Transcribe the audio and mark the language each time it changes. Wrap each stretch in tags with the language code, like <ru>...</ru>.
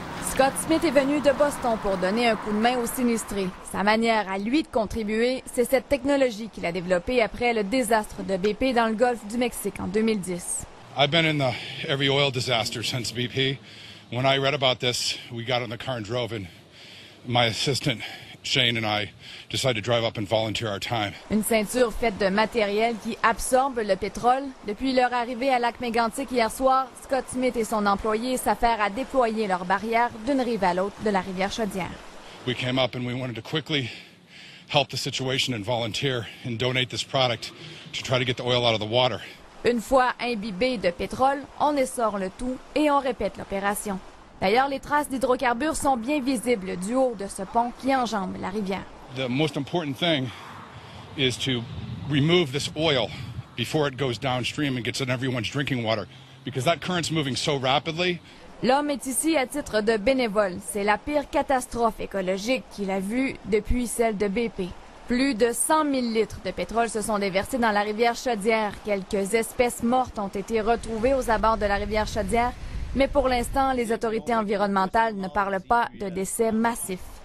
<fr>Scott Smith est venu de Boston pour donner un coup de main aux sinistrés. Sa manière à lui de contribuer, c'est cette technologie qu'il a développée après le désastre de BP dans le golfe du Mexique en 2010.</fr> <en>I've been in the every oil disaster since BP. When I read about this, we got in the car and drove, and my assistant Shane and I decided to drive up and volunteer our time.</en> <fr>Une ceinture faite de matériel qui absorbe le pétrole. Depuis leur arrivée à Lac-Mégantic hier soir, Scott Smith et son employé s'affairent à déployer leurs barrières d'une rive à l'autre de la rivière Chaudière.</fr> <en>We came up and we wanted to quickly help the situation and volunteer and donate this product to try to get the oil out of the water.</en> <fr>Une fois imbibé de pétrole, on essore le tout et on répète l'opération. D'ailleurs, les traces d'hydrocarbures sont bien visibles du haut de ce pont qui enjambe la rivière.</fr> <en>The most important thing is to remove this oil before it goes downstream and gets in everyone's drinking water, because that current's moving so rapidly.</en> <fr>L'homme est ici à titre de bénévole. C'est la pire catastrophe écologique qu'il a vue depuis celle de BP. Plus de 100 000 litres de pétrole se sont déversés dans la rivière Chaudière. Quelques espèces mortes ont été retrouvées aux abords de la rivière Chaudière. Mais pour l'instant, les autorités environnementales ne parlent pas de décès massifs.</fr>